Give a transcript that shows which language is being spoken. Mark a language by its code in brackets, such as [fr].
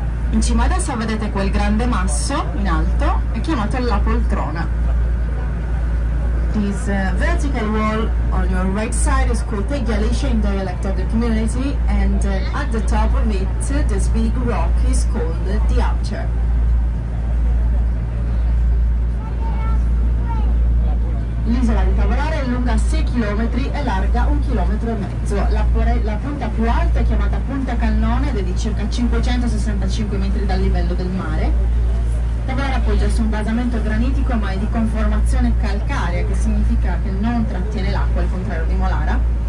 [it] In cima adesso vedete quel grande masso in alto, è chiamato la poltrona. [en] This vertical wall on your right side is called the Galicia in dialect of the community, and at the top of it this big rock is called the altar. [it] L'isola di Tavolare è lunga 6 km e larga 1,5 km. La punta più alta è chiamata Punta Cannone ed è di circa 565 metri dal livello del mare. terra poggia su un basamento granitico ma è di conformazione calcarea, che significa che non trattiene l'acqua, al contrario di Molara.